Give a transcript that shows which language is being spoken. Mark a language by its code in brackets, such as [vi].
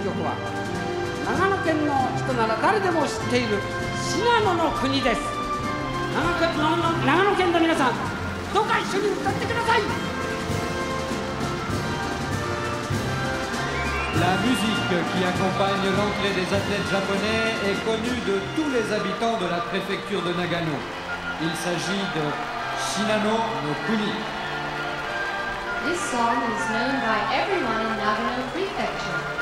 [ja] 国なら誰でも知っている信濃の国です。長野県の皆さん、どうか一緒に歌ってください。 [fr] La musique qui accompagne l'entrée des athlètes japonais est connue de tous les habitants de la préfecture de Nagano. Il s'agit de Shinano no Kuni. [en] This song is known by everyone in Nagano Prefecture.